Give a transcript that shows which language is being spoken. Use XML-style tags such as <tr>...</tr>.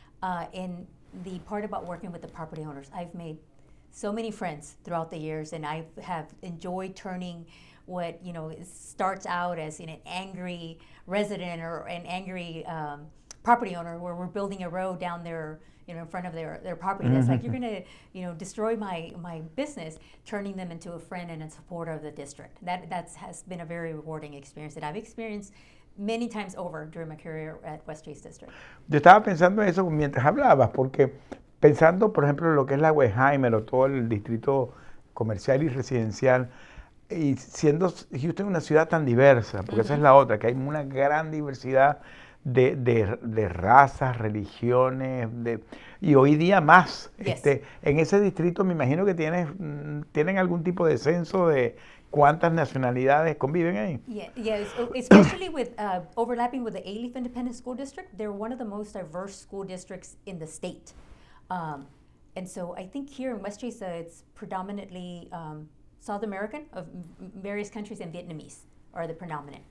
<en>And the part about working with the property owners, I've made so many friends throughout the years, and I have enjoyed turning what starts out as an angry resident or an angry property owner, where we're building a road down there, in front of their property, mm-hmm. that's like, you're gonna destroy my business, turning them into a friend and a supporter of the district. That has been a very rewarding experience that I've experienced many times over during my career at West Chase District.</en> <es>Yo estaba pensando en eso mientras hablabas, porque pensando, por ejemplo, lo que es la Westheimer o todo el distrito comercial y residencial, y siendo Houston una ciudad tan diversa, porque uh-huh. esa es la otra, que hay una gran diversidad de razas, religiones, y hoy día más.</es> <en>Yes.</en> <es>En ese distrito me imagino que tienen algún tipo de censo de cuántas nacionalidades conviven ahí.</es> <en>Especially with overlapping with the Alief Independent School District, they're one of the most diverse school districts in the state. And so I think here in West Chase, it's predominantly South American of various countries, and Vietnamese are the predominant.</en>